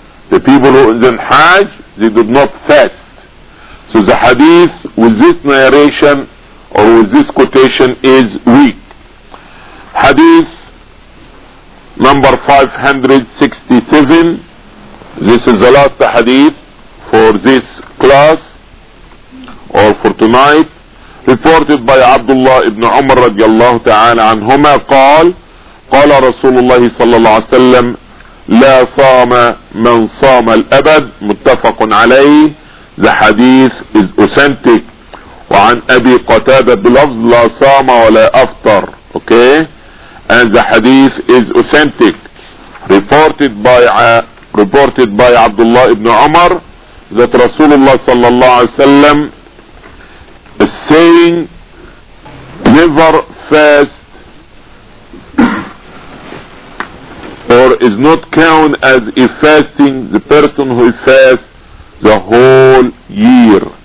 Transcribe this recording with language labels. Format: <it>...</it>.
<en>The people who in Hajj, they did not fast. So the hadith with this narration or with this quotation is weak. Hadith number 567. This is the last hadith for this class or for tonight. Reported by Abdullah ibn Umar radiallahu ta'ala anhuma,</en> <ar>قال رسول الله صلى الله عليه وسلم لا صام من صام الأبد. متفق عليه.</ar> <en>The hadith is authentic.</en> <ar>وعن أبي قتادة بلفظ لا صام ولا أفطر.</ar> <en>Okay, and the hadith is authentic. Reported by Abdullah ibn Umar that Rasulullah</en> <ar>صلى الله عليه وسلم</ar> <en>is saying never fast or is not count as a fasting the person who fasts the whole year.</en>